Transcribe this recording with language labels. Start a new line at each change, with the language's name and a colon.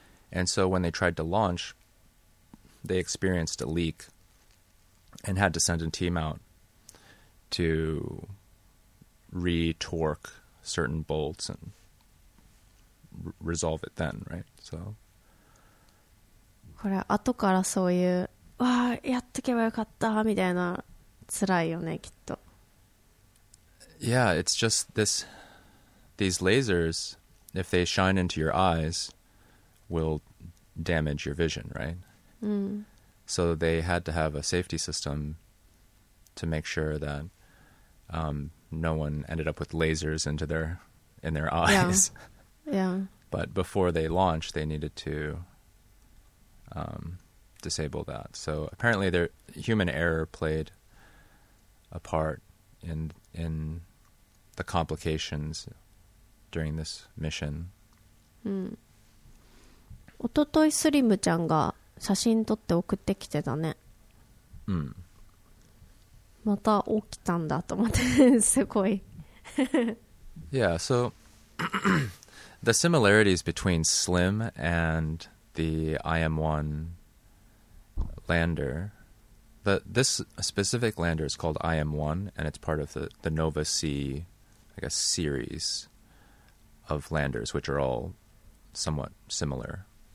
English: And so when they tried to launch, they experienced a leak and had to send a team out to re-torque certain bolts and resolve it then, right? So...
Japanese: これ後からそういうわーやっとけばよかったみたいな辛いよねきっと。
English: Yeah, it's just these lasers, if they shine into your eyes will damage your vision, right? So they had to have a safety system to make sure that no one ended up with lasers into their in their eyes. But before they launched, they needed to disable that. So apparently their human error played a part in the complications during this mission.
Japanese: おとといスリムちゃんが写真撮って送ってきてたね。また起きたんだと思ってすごい。
English: Yeah, so the similarities between Slim and the IM-1 lander, this specific lander is called IM-1 and it's part of the Nova C, I guess, series of landers, which are all somewhat similar.